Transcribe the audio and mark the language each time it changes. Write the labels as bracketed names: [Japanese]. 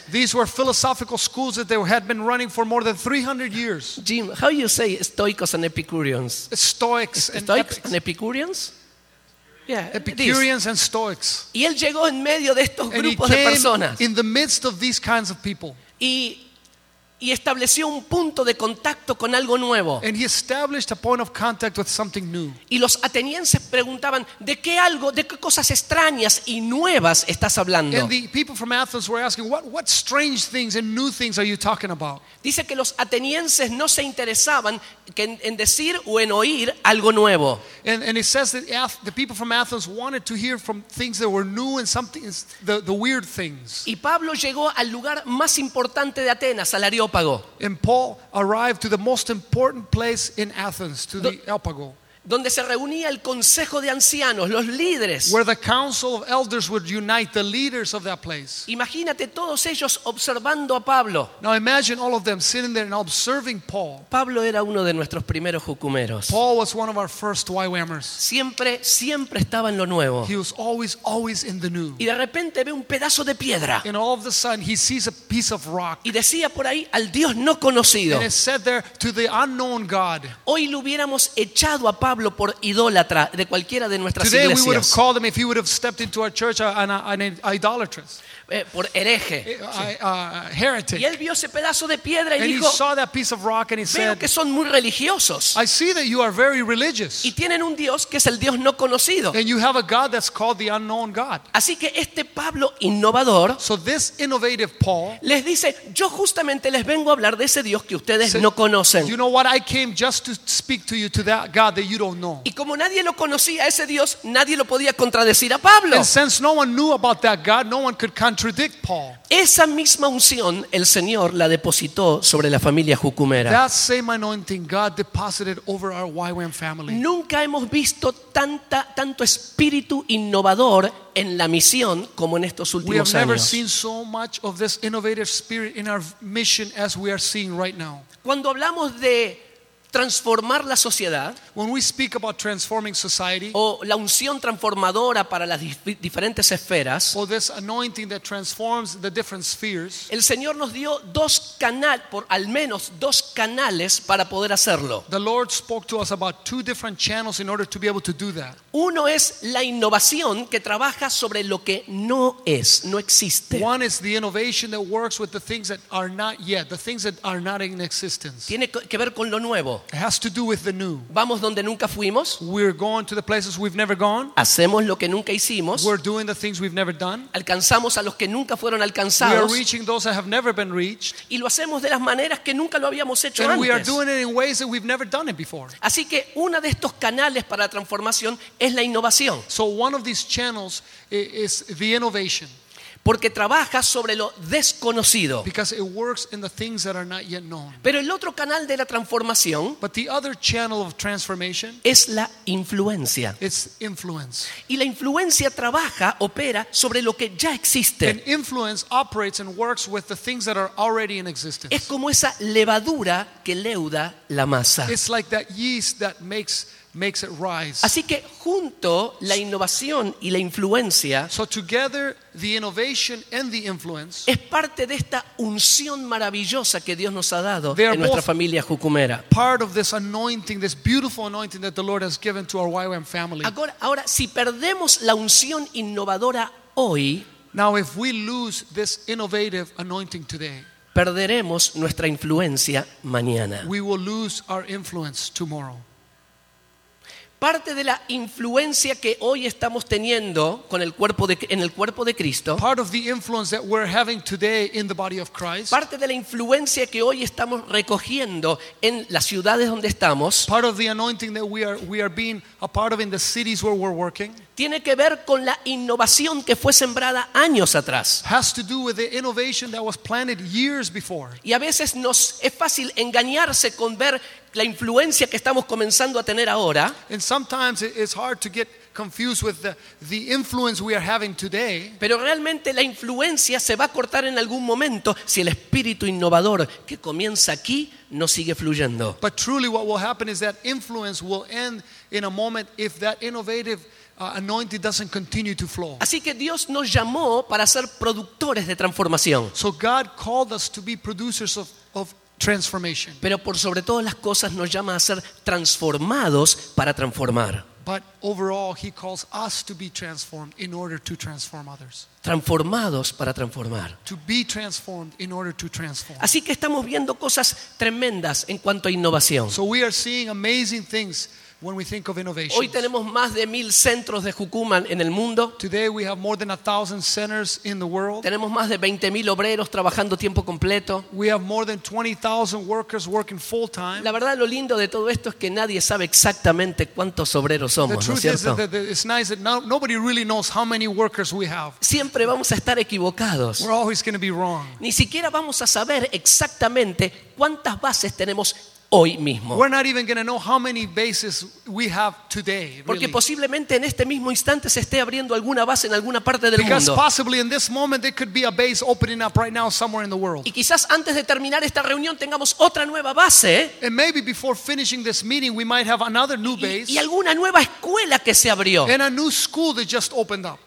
[English] These were philosophical schools that they had been running for more than 300 years. Jim, how you say stoicos and epicureans? Stoics and epicureans? Yeah, Epicureans and Stoics. [Spanish] Y él llegó en medio de estos grupos de personas. [English] In the midst of these kinds of people. [Spanish] Y estableció un punto de contacto con algo nuevo. [English] And he established a point of contact with something new. [Spanish] Y los atenienses preguntaban, ¿de qué cosas extrañas y nuevas estás hablando? [English] And the people from Athens were asking, what strange things and new things are you talking about? [Spanish] Dice que los atenienses no se interesaban en decir o en oír algo nuevo. [English] And it says that the people from Athens wanted to hear from things that were new and something the weird things. [Spanish] Y Pablo llegó al lugar más importante de Atenas, al Areópago. [English] And Paul arrived to the most important place in Athens, to the Areópago. [Spanish] donde se reunía el consejo de ancianos, los líderes. [English] Where the council of elders would unite the leaders of that place. [Spanish] Imagínate todos ellos observando a Pablo. [English] Now imagine all of them sitting there and observing Paul. [Spanish] Pablo era uno de nuestros primeros jucumeros. [English] Paul was one of our first YWAMers. [Spanish] Siempre estaba en lo nuevo. [English] He was always in the new. [Spanish] Y de repente ve un pedazo de piedra. [English] And all of a sudden he sees a piece of rock. [Spanish] Y decía por ahí al Dios no conocido. [English] And it said there to the unknown God. [Spanish] Hoy lo hubiéramos echado a Pablo por idólatra de cualquiera de nuestras iglesias. [English] Today we would have called him if he would have stepped into our church an idolatrous. [Spanish] Por hereje. [English] Heretic. [Spanish] Y él vio ese pedazo de piedra y [English] and [Spanish] dijo, [English] he saw that piece of rock and he said, [Spanish] que son muy religiosos. [English] I see that you are very religious. [Spanish] Y tienen un Dios que es el Dios no conocido. [English] And you have a God that's called the unknown God. [Spanish] Así que este Pablo innovador, [English] so this innovative Paul, [Spanish] les dice, yo justamente les vengo a hablar de ese Dios que ustedes [English] said, [Spanish] no conocen. [English] You know what? I came just to speak to you to that God that you don't know. [Spanish] Y como nadie lo conocía a ese Dios, nadie lo podía contradecir a Pablo. [English] And since no one knew about that God, no one could contradict Paul. [Spanish] Esa misma unción el Señor la depositó sobre la familia Jucumera. [English] That same anointing God deposited over our YWAM family. [Spanish] Nunca hemos visto tanto espíritu innovador en la misión como en estos últimos años. [English] We have never seen so much of this innovative spirit in our mission as we are seeing right now. [Spanish] Cuando hablamos de transformar la sociedad, [English] when we speak about transforming society, [Spanish] o la unción transformadora para las diferentes esferas, [English] or this anointing that transforms the different spheres, [Spanish] el Señor nos dio dos canales, por al menos dos canales para poder hacerlo. [English] The Lord spoke to us about two different channels in order to be able to do that. [Spanish] Uno es la innovación que trabaja sobre lo que no es, no existe. [English] One is the innovation that works with the things that are not yet, the things that are not in existence. [Spanish] Tiene que ver con lo nuevo. [English] It has to do with the new. [Spanish] Vamos donde nunca fuimos. [English] We're going to the places we've never gone. [Spanish] Hacemos lo que nunca hicimos. [English] We're doing the things we've never done. [Spanish] Alcanzamos a los que nunca fueron alcanzados. [English] We're reaching those that have never been reached. [Spanish] Y lo hacemos de las maneras que nunca lo habíamos hecho antes. [English] And we are doing it in ways that we've never done it before. [Spanish] Así que una de estos canales para la transformación es la innovación. [English] So one of these channels is the innovation. [Spanish] Porque trabaja sobre lo desconocido. [English] Because it works in the things that are not yet known. [Spanish] Pero el otro canal de la transformación, [English] but the other channel of transformation, [Spanish] es la influencia. [English] It's influence. [Spanish] Y la influencia trabaja, opera sobre lo que ya existe. [English] And influence operates and works with the things that are already in existence. [Spanish] Es como esa levadura que leuda la masa. [English] It's like that yeast that makes it rise. [Spanish] Así que junto la innovación y la influencia, [English] so together the innovation and the influence, [Spanish] es parte de esta unción maravillosa que Dios nos ha dado en nuestra familia Jucumera. [English] Part of this anointing, this beautiful anointing that the Lord has given to our YWAM family. [Spanish] Ahora si perdemos la unción innovadora hoy, [English] now if we lose this innovative anointing today, [Spanish] perderemos nuestra influencia mañana. [English] We will lose our influence tomorrow. [Spanish] Parte de la influencia que hoy estamos teniendo en el cuerpo de Cristo, [English] part of the influence that we're having today in the body of Christ, [Spanish] parte de la influencia que hoy estamos recogiendo en las ciudades donde estamos, [English] part of the anointing that we are being a part of in the cities where we're working, [Spanish] tiene que ver con la innovación que fue sembrada años atrás. [English] Has to do with the innovation that was planted years before. [Spanish] Y a veces nos es fácil engañarse con ver la influencia que estamos comenzando a tener ahora. [English] And sometimes it's hard to get confused with the influence we are having today. [Spanish] Pero realmente la influencia se va a cortar en algún momento si el espíritu innovador que comienza aquí no sigue fluyendo. [English] But truly what will happen is that influence will end in a moment if that innovative anointing doesn't continue to flow. [Spanish] Así que Dios nos llamó para ser productores de transformación. [English] So God called us to be producers of transformation. [Spanish] Pero por sobre todas las cosas nos llama a ser transformados para transformar. [English] But overall, He calls us to be transformed in order to transform others. [Spanish] Transformados para transformar. [English] To be transformed in order to transform. [Spanish] Así que estamos viendo cosas tremendas en cuanto a innovación. [English] So we are seeing amazing things. When we think of innovation, [Spanish] hoy tenemos más de 1,000 centros de Jucuman en el mundo. [English] Today we have more than 1,000 centers in the world. [Spanish] Tenemos más de 20,000 obreros trabajando tiempo completo. [English] We have more than 20,000 workers working full time. [Spanish] La verdad, lo lindo de todo esto es que nadie sabe exactamente cuántos obreros somos, ¿no es cierto? [English] The truth is that it's nice that nobody really knows how many workers we have. [Spanish] Siempre vamos a estar equivocados. [English] We're always going to be wrong. [Spanish] Ni siquiera vamos a saber exactamente cuántas bases tenemos hoy mismo. [English] We're not even going to know how many bases we have today. Really. [Spanish] Porque posiblemente en este mismo instante se esté abriendo alguna base en alguna parte del [English] Because [Spanish] mundo. [English] Because possibly in this moment there could be a base opening up right now somewhere in the world. [Spanish] Y quizás antes de terminar esta reunión tengamos otra nueva base. [English] And maybe before finishing this meeting we might have another new base. [Spanish] Y alguna nueva escuela que se abrió. [English] And a new school that just opened up.